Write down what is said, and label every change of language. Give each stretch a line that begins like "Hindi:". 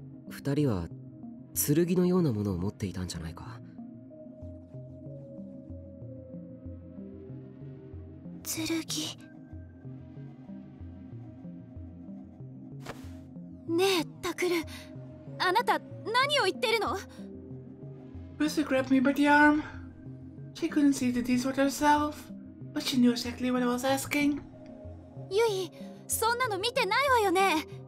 Japanese: 二人は剣のようなものを持っていたんじゃないか。剣。ねえ、タクル、あなた何を言ってるの?
English: Rusu grabbed me by the arm. She couldn't see the detail herself, but she knew exactly what I was asking.
Japanese: ユイ、そんなの見てないわよね。